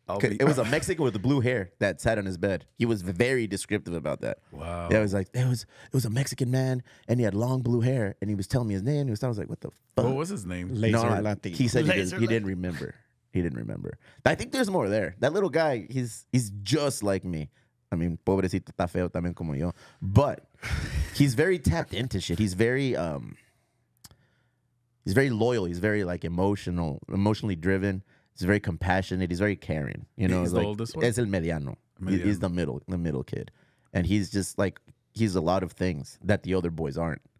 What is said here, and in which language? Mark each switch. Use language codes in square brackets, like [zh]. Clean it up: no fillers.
[en] It was a Mexican with the blue hair that sat on his bed. He was very descriptive about that. Wow. Yeah, it was like, it was a Mexican man, and he had long blue hair, and he was telling me his name. I was like, what the fuck? What was his name? Laser Latino. He said he didn't remember. I think there's more there. That little guy, he's just like me. I mean, [es] pobrecito está feo también como yo. [en] But he's very tapped into shit. He's very loyal. He's very like emotionally driven. He's very compassionate. He's very caring. You know, he's like, the oldest one. [es] Es el mediano. [en] He's the middle kid. And he's just like, he's a lot of things that the other boys aren't.